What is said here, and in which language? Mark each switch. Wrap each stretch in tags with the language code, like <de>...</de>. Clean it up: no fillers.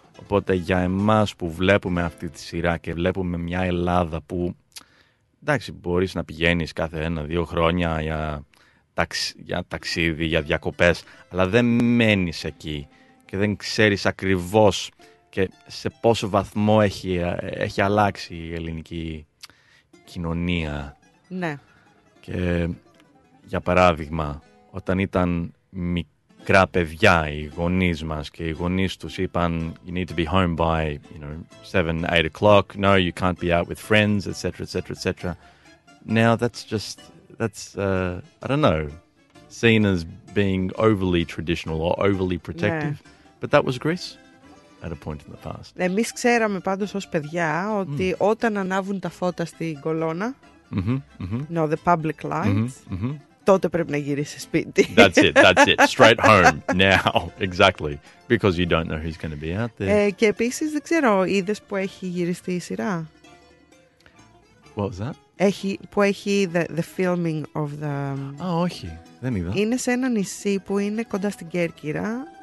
<el>Οπότε για εμάς που βλέπουμε αυτή τη σειρά και βλέπουμε μια Ελλάδα που, εντάξει, μπορείς να πηγαίνεις κάθε 1-2 χρόνια για ταξίδι, για διακοπές, αλλά δεν μένεις εκεί και δεν ξέρεις ακριβώς και σε πόσο βαθμό έχει αλλάξει η ελληνική κοινωνία. Ναι. Και για παράδειγμα, όταν ήταν μικρά παιδιά οι γονείς μας και οι γονείς τους είπαν</el> <en>«You need to be home by, you know, 7-8 o'clock. No, you can't be out with friends, etc., etc., etc.» Now that's just... I don't know, seen as being overly traditional or overly protective. Yeah. But that was Greece at a point in the past.</en> <el>Εμείς ξέραμε πάντως ως παιδιά ότι όταν ανάβουν τα φώτα στην κολόνα,</el> <en>no, the public lights,</en> <el>τότε πρέπει να γυρίσεις σπίτι.</el> <en>That's it. Straight home now. Exactly. Because you don't know who's going to be out there.</en> <el>Και επίσης δεν ξέρω, είδες που έχει γυριστεί η σειρά?</el> <en>What was that?</en> <el>Που έχει</el> <en>the filming of the...</en> <el>Α, όχι, δεν είδα. Είναι σε ένα νησί που είναι κοντά στην Κέρκυρα.</el>